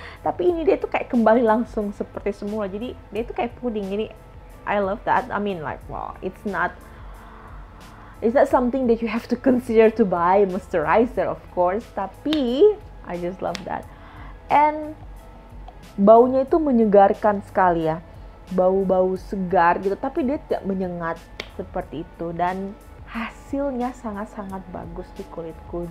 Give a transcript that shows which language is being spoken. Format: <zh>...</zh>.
<id>Tapi ini dia itu kayak kembali langsung seperti semula. Jadi dia itu kayak puding. Jadi</id> <en>I love that. I mean like wow, it's not something that you have to consider to buy moisturizer, of course, tapi I just love that.</en> <id>And baunya itu menyegarkan sekali ya, bau-bau segar gitu, tapi dia tidak menyengat seperti itu, dan hasilnya sangat-sangat bagus di kulitku.</id>